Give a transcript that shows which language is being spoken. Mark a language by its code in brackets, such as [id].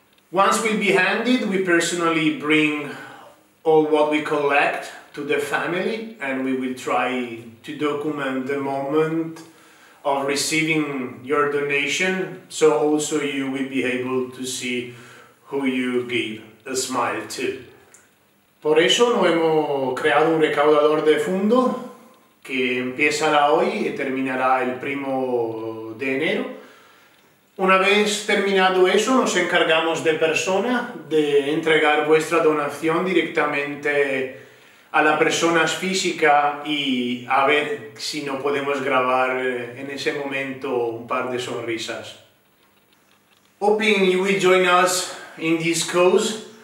[en] Once we'll be handed, we personally bring all what we collect to the family and we will try to document the moment of receiving your donation so also you will be able to see who you give a smile to. [es] Por eso no hemos creado un recaudador de fondo que empezará hoy y terminará el 1 de enero. Una vez terminado eso, nos encargamos de persona de entregar vuestra donación directamente a las personas físicas y a ver si no podemos grabar en ese momento un par de sonrisas. [en] Hoping you will join us in this cause.